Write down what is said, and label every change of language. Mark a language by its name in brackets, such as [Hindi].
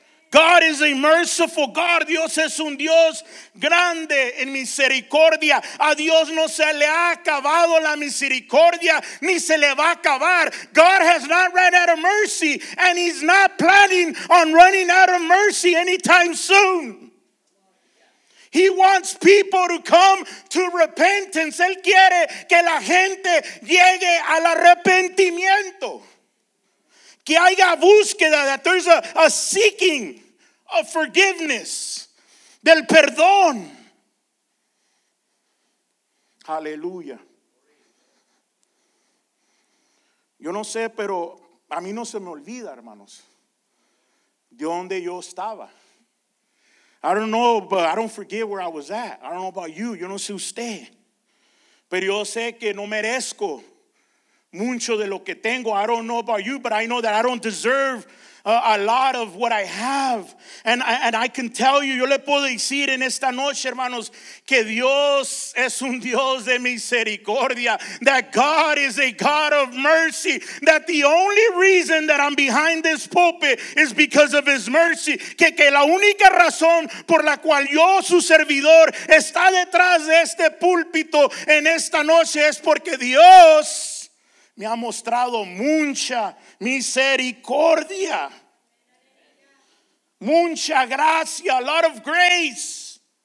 [English] God is a merciful God. [Spanish] Dios es un Dios grande en misericordia. A Dios no se le ha acabado la misericordia, ni se le va a acabar. [English] God has not run out of mercy, and he's not planning on running out of mercy anytime soon. He wants people to come to repentance. [Spanish] Él quiere que la gente llegue al arrepentimiento. Que haya búsqueda, [English] that there's a seeking of forgiveness, [Spanish] del perdón. [English] Hallelujah. [Spanish] Yo no sé, pero a mí no se me olvida, hermanos, de donde yo estaba. [English] I don't know, but I don't forget where I was at. I don't know about you. [Spanish] Yo no sé usted. Pero yo sé que no merezco mucho de lo que tengo. [English] I don't know about you, but I know that I don't deserve a lot of what I have. And I can tell you, [Spanish] yo le puedo decir en esta noche, hermanos, que Dios es un Dios de misericordia. [English] That God is a God of mercy. That the only reason that I'm behind this pulpit is because of his mercy. [Spanish] Que la única razón por la cual yo, su servidor, está detrás de este púlpito en esta noche es porque Dios me ha mostrado mucha misericordia, mucha gracia, [English] a lot of grace.